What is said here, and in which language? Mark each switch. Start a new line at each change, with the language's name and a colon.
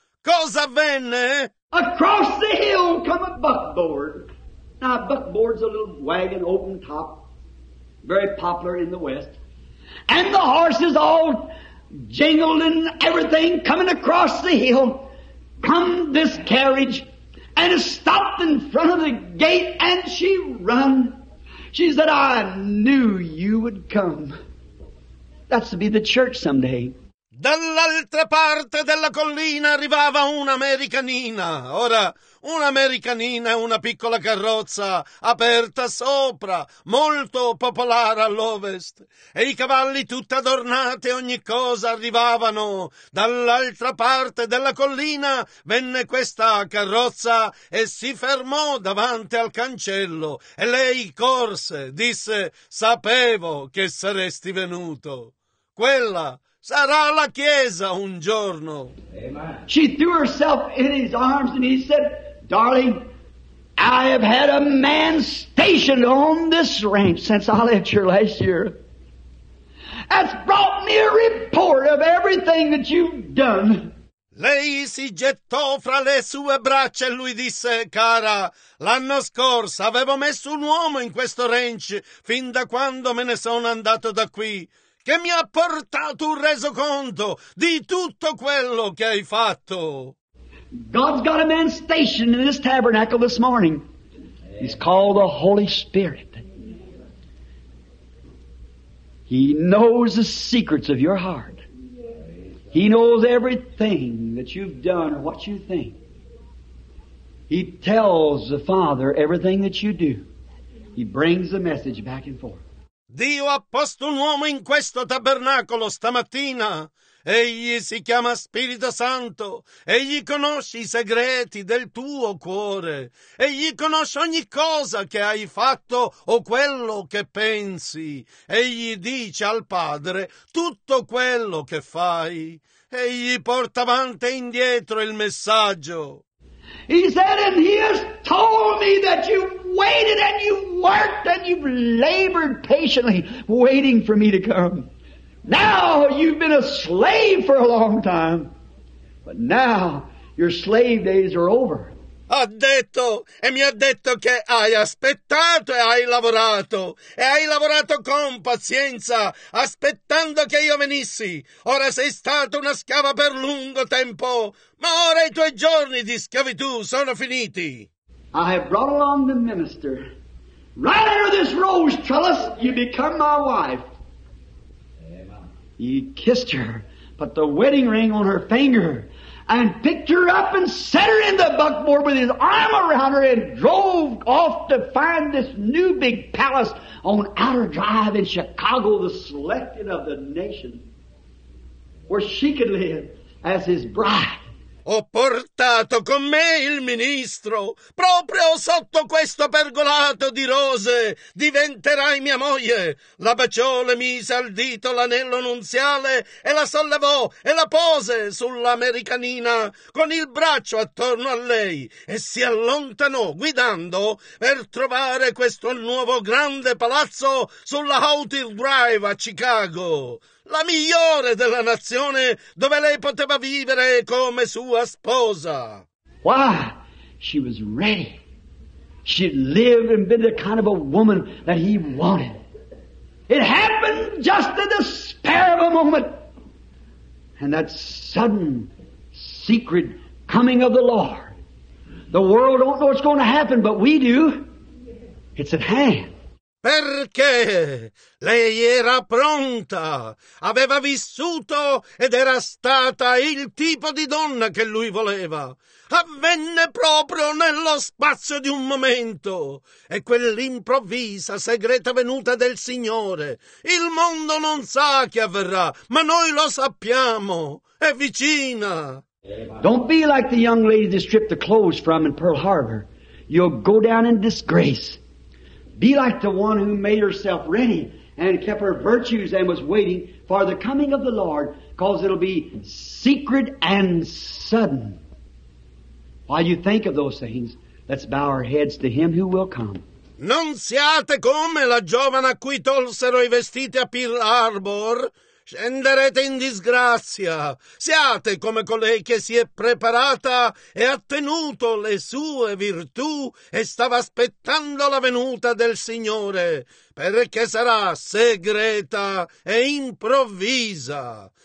Italian: Cosa avvenne?
English: Across the hill come a buckboard. Now a buckboard's a little wagon, open top, very popular in the West. And the horses all jingled and everything coming across the hill, come this carriage, and it stopped in front of the gate, and she run. She said, I knew you would come. That's to be the church someday.
Italian: Dall'altra parte della collina arrivava un'americanina. Ora, un'americanina è una piccola carrozza aperta sopra, molto popolare all'ovest. E i cavalli tutti adornati, ogni cosa arrivavano. Dall'altra parte della collina venne questa carrozza e si fermò davanti al cancello. E lei corse, disse, sapevo che saresti venuto. Quella sarà la chiesa un giorno. Amen.
English: She threw herself in his arms and he said, darling, I have had a man stationed on this ranch since I left here last year. That's brought me a report of everything that you've done.
Italian: Lei si gettò fra le sue braccia e lui disse, cara, l'anno scorso avevo messo un uomo in questo ranch fin da quando me ne sono andato da qui, che mi ha portato un resoconto di tutto quello che hai fatto.
English: God's got a man stationed in this tabernacle this morning. He's called the Holy Spirit. He knows the secrets of your heart. He knows everything that you've done or what you think. He tells the Father everything that you do. He brings the message back and forth.
Italian: Dio ha posto un uomo in questo tabernacolo stamattina. Egli si chiama Spirito Santo. Egli conosce i segreti del tuo cuore. Egli conosce ogni cosa che hai fatto o quello che pensi. Egli dice al Padre tutto quello che fai. Egli porta avanti e indietro il messaggio.
English: He said, and he has told me that you've waited and you've worked and you've labored patiently waiting for me to come. Now you've been a slave for a long time, but now your slave days are over.
Italian: ha detto e mi ha detto che hai aspettato e hai lavorato e hai lavorato con pazienza aspettando che io venissi. Ora sei stata una schiava per lungo tempo, ma ora i tuoi giorni di schiavitù sono finiti.
English: I have brought along the minister. Right under this rose trellis, you become my wife. He kissed her, put the wedding ring on her finger, and picked her up and set her in the buckboard with his arm around her and drove off to find this new big palace on Outer Drive in Chicago, the selected of the nation, where she could live as his bride.
Italian: Ho portato con me il ministro, proprio sotto questo pergolato di rose, diventerai mia moglie. La baciò, le mise al dito l'anello nuziale e la sollevò e la pose sull'americanina con il braccio attorno a lei e si allontanò guidando per trovare questo nuovo grande palazzo sulla Outer Drive a Chicago. La migliore della nazione dove lei poteva vivere come sua sposa.
English: Why? She was ready. She lived and been the kind of a woman that he wanted. It happened just in the spare of a moment. And that sudden secret coming of the Lord. The world don't know what's going to happen, but we do. It's at hand.
Italian: Perché lei era pronta, aveva vissuto ed era stata il tipo di donna che lui voleva. Avvenne proprio nello spazio di un momento e quell'improvvisa segreta venuta del Signore. Il mondo non sa che avverrà, ma noi lo sappiamo, è vicina.
English: Don't be like the young lady that stripped the clothes from in Pearl Harbor. You'll go down in disgrace. Be like the one who made herself ready and kept her virtues and was waiting for the coming of the Lord, because it'll be secret and sudden. While you think of those things, let's bow our heads to Him who will come.
Italian: Non siate come la giovane a cui tolsero i vestiti a Pearl Harbor. Scenderete in disgrazia. Siate come colei che si è preparata e ha tenuto le sue virtù e stava aspettando la venuta del Signore, perché sarà segreta e improvvisa.